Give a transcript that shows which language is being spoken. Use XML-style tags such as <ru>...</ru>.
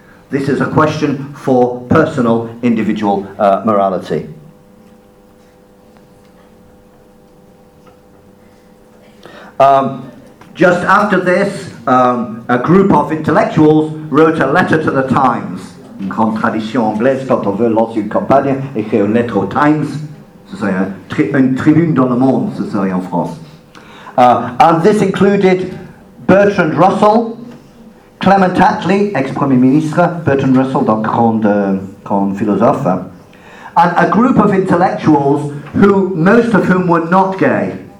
<en>This is a question for personal, individual morality. Uh, Just after this, a group of intellectuals wrote a letter to the Times.</en> <fr>Une grande tradition anglaise quand on veut lancer une campagne, écrire une lettre au Times. Ce serait une tribune dans le monde, ce serait en France.</fr> <en>And this included Bertrand Russell, Clement Attlee,</en> <fr>ex-premier ministre,</fr> <en>Bertrand Russell,</en> <fr>donc grand philosophe,</fr> <en>and a group of intellectuals who, most of whom were not gay.</en>